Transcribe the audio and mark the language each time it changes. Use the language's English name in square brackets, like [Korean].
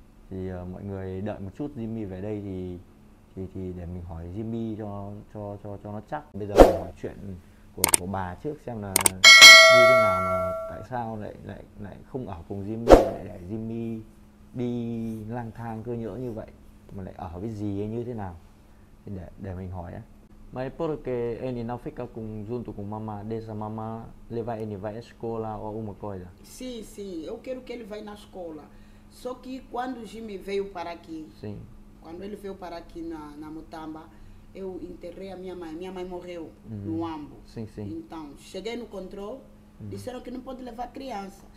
[Vietnamese] Thì mọi người đợi một chút Jimmy về đây thì để mình hỏi Jimmy cho nó chắc. Bây giờ mình hỏi chuyện của bà trước xem là như thế nào mà tại sao lại lại lại không ở cùng Jimmy, lại để Jimmy đi lang thang cơ nhỡ như vậy mà lại ở với gì hay như thế nào, thì để mình hỏi á. Mai porque en in Africa cùng junto con mama de esa mama le va en va escola o una cosa. [Portuguese] Sim, eu quero que ele vá na escola. Só que quando o Jimmy veio para aqui, Sim. quando ele veio para aqui na Mutamba, eu enterrei a minha mãe. Minha mãe morreu no Huambo. Sim. Então, cheguei no controle, disseram que não pode levar criança,